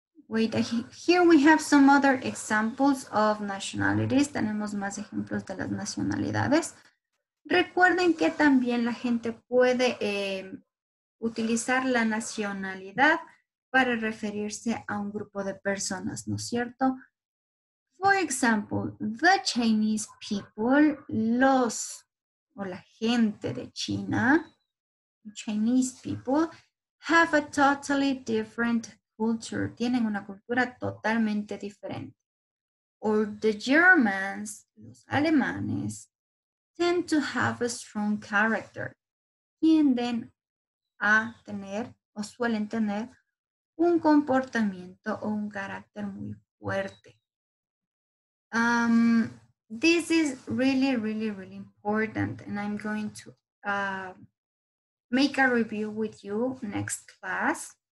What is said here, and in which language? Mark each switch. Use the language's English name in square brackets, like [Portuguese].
[English] Here we have some other examples of nationalities. [Spanish] Tenemos más ejemplos de las nacionalidades. Recuerden que también la gente puede utilizar la nacionalidad para referirse a un grupo de personas, ¿no es cierto? [English] For example, the Chinese people, [Spanish] los o la gente de China, [English] Chinese people, have a totally different culture. [Spanish] Tienen una cultura totalmente diferente. [English] Or the Germans, [Spanish] los alemanes, [English] tend to have a strong character. [Spanish] Tienden a tener o suelen tener un comportamiento o un carácter muy fuerte. [English] This is really, really, really important, and I'm going to make a review with you next class.